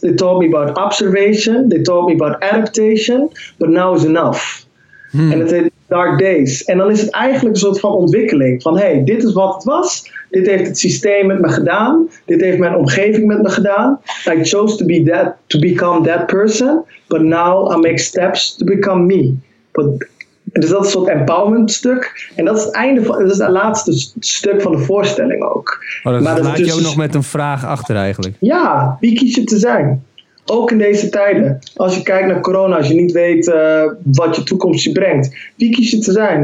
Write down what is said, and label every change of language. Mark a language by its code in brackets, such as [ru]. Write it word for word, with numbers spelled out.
[en] They taught me about observation. They taught me about adaptation. But now is enough. [nl] Hmm. En het heet Dark Days. En dan is het eigenlijk een soort van ontwikkeling. Van hé, hey, dit is wat het was. Dit heeft het systeem met me gedaan. Dit heeft mijn omgeving met me gedaan. [en] I chose to be that, to become that person. But now I make steps to become me. [nl] But, dus dat is een soort empowerment stuk. En dat is het einde van, dat is het laatste st- stuk van de voorstelling ook. Oh, dat maar dat laat dus, je ook nog met een vraag achter eigenlijk. Ja, wie kies je te zijn? Ook in deze tijden. Als je kijkt naar corona, als je niet weet uh, wat je toekomst je brengt. Wie kies je te zijn?